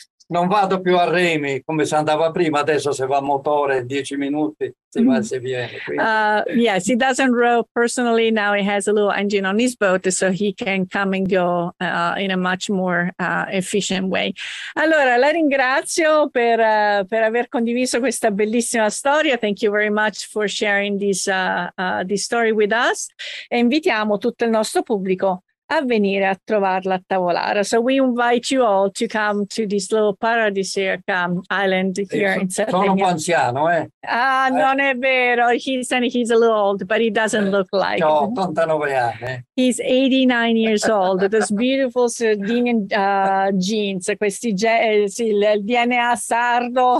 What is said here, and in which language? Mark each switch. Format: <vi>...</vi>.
<it>Non vado più a remi come si andava prima, adesso se va motore 10 minuti si va se viene.</it> <en>Yes, he doesn't row personally, now he has a little engine on his boat so he can come and go in a much more efficient way.</en> <it>Allora, la ringrazio per aver condiviso questa bellissima storia.</it> <en>Thank you very much for sharing this this story with us.</en> <it>E invitiamo tutto il nostro pubblico a venire a trovarla a Tavolara.</it> <en>So we invite you all to come to this little paradisiac island here in Sardinia.</en> <it>Sono un po' anziano, eh? Ah, non è vero.</it> <en>He's a little old, but he doesn't look like.</en> <it>No, 89 anni.</it> <en>He's 89 years old. Those beautiful Sardinian jeans,</en> <it>questi sì, il DNA sardo.</it>